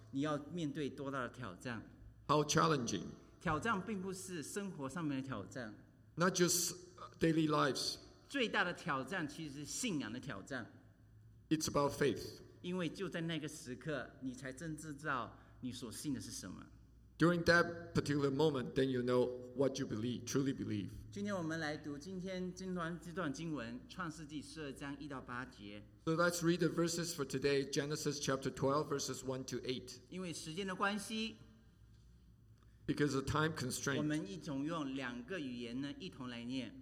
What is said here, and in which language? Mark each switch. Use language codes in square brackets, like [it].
[zh] 你要面对多大的挑战？ [en] How challenging? [zh] 挑战并不是生活上面的挑战。 [en] Not just daily lives. [zh] 最大的挑战其实是信仰的挑战。 [en] It's about faith. [zh] 因为就在那个时刻，你才真知道你所信的是什么。 [en] During that particular moment, then you know what you believe, truly believe. [zh] 今天我们来读今天这段经文，创世纪十二章一到八节。 [en] So let's read the verses for today, Genesis chapter 12, verses 1 to 8. [zh] 因为时间的关系。 [en] Because of time constraint. [zh] 我们一同用两个语言呢，一同来念。